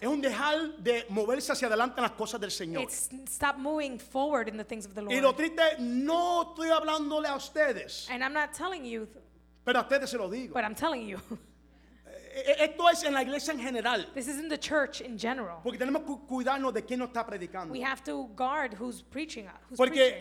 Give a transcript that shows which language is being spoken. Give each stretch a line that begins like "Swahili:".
Spanish: Es un dejar de moverse hacia adelante en las cosas del Señor.
English: It's stop moving forward in the things of the Lord.
Spanish: Y lo triste, no estoy hablándole a ustedes.
English: And I'm not telling you.
Spanish: Pero a ustedes se lo digo.
English: But I'm telling you.
Spanish: Esto es en la iglesia en general.
English: This is in the church in general.
Spanish: Porque tenemos que cuidarnos de quién nos está predicando.
English: We have to guard who's preaching. Who's
Spanish: porque